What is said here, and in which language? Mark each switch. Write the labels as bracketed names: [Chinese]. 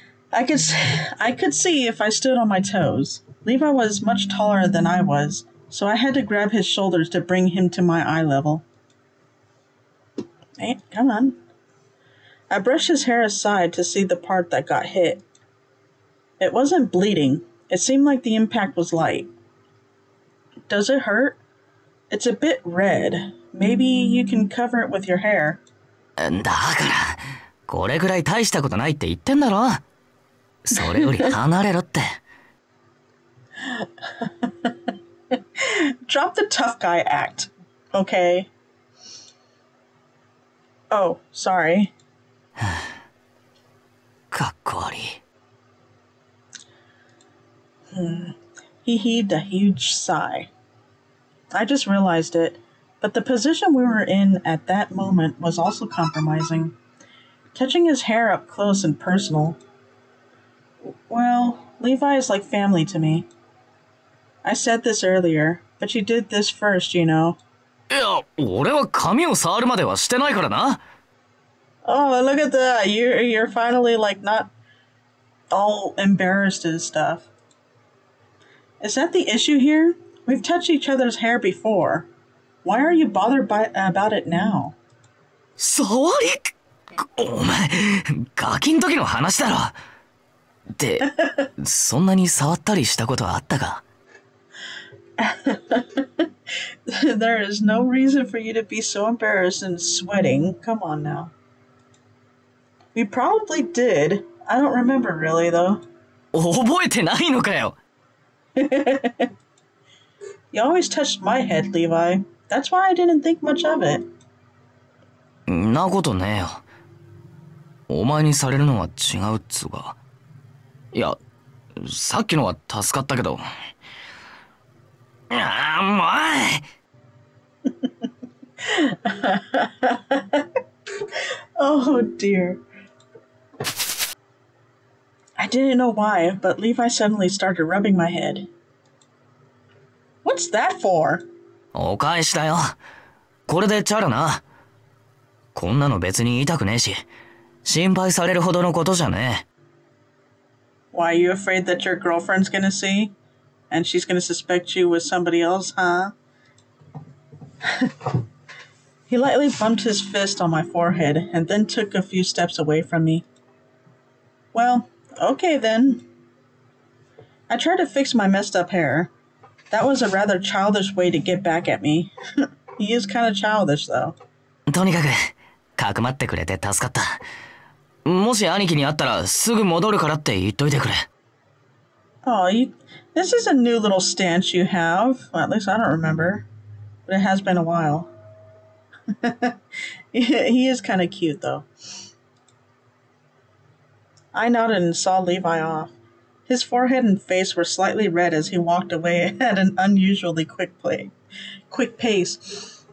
[English] I could see if I stood on my toes. Levi was much taller than I was, so I had to grab his shoulders to bring him to my eye level. Hey, come on. I brushed his hair aside to see the part that got hit. It wasn't bleeding. It seemed like the impact was light. Does it hurt? It's a bit red. Maybe you can cover it with your hair. [Japanese] だから、これぐらい大したことないって言ってんだろ。それより離れろって。 [English] Drop the tough guy act, okay? Oh, sorry. [Japanese] かっこ悪い。 [English] He heaved a huge sigh. I just realized it, but the position we were in at that moment was also compromising. Touching his hair up close and personal. Well, Levi is like family to me. I said this earlier, but you did this first, you know. [Japanese] いや、俺は髪を触るまではしてないからな。 [English] Oh, look at that. You're finally, like, not all embarrassed and stuff. Is that the issue here? We've touched each other's hair before. Why are you bothered about it now? Sorry? [Japanese] お前、ガキん時の話だろ。で、そんなに触ったりしたことはあったか? [English] There is no reason for you to be so embarrassed and sweating. Come on now. We probably did. I don't remember really, though. [Japanese] 覚えてないのかよ? [English] You always touched my head, Levi. That's why I didn't think much of it. [Japanese] んなことねえよ。お前にされるのは違うっつうか。いや、さっきのは助かったけど。あー、もう。 [English] Oh dear. I didn't know why, but Levi suddenly started rubbing my head. What's that for? [Japanese] お返しだよ。これでチャラな。こんなの別に痛くねえし、心配されるほどのことじゃねえ。 [English] Why are you afraid that your girlfriend's gonna see? And she's gonna suspect you with somebody else, huh? He lightly bumped his fist on my forehead and then took a few steps away from me. Well, okay then. I tried to fix my messed up hair. That was a rather childish way to get back at me. He is kind of childish, though. [Japanese] とにかく、かくまってくれて助かった。もし兄貴に会ったら、すぐ戻るからって言っといてくれ。 [English] Oh, this is a new little stance you have. Well, at least I don't remember. But it has been a while. He is kind of cute, though. I nodded and saw Levi off. His forehead and face were slightly red as he walked away at an unusually quick pace.